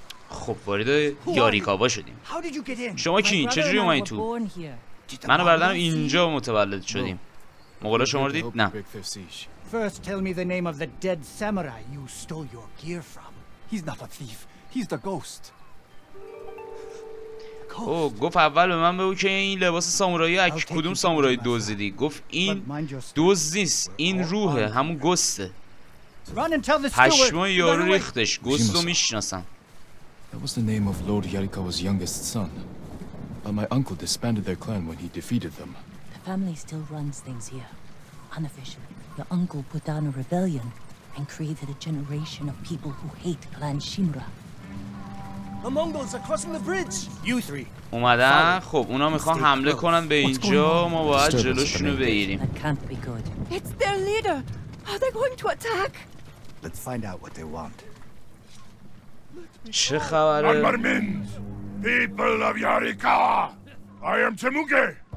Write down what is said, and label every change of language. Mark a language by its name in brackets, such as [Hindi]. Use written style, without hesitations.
[Persian] خب وارد یاریکاوا شدیم. شما کی؟ چجوری اومدین تو؟ من و برادرم اینجا متولد شدیم. مغولا شما رو دید؟ نه. [English] First tell me the name of the dead samurai you stole your gear from. He's not a thief. He's the ghost. [Persian] او گفت اول به من بگو که این لباس سامورایی از کدوم سامورایی دزدیدی. گفت این دزدیست، این روحه، همون گسته. پشمای یارو ریختش. گستو میشناسم. [English] That was the name of Lord Yarikawa's youngest son. But my uncle disbanded their clan when he defeated them. The family still runs things here. Unofficially, your uncle put down a rebellion and created a generation of people who hate Clan Shimura. The Mongols are crossing the bridge. You three. [Persian] اومدن؟ خب اونا میخوان حمله کنن به اینجا. ما باید جلوشونو بگیریم. [English] That can't be good. It's their leader. Are they going to attack? Let's find out what they want. [Persian] چه خبره؟ [English] People of Yarikawa. I am Temuge.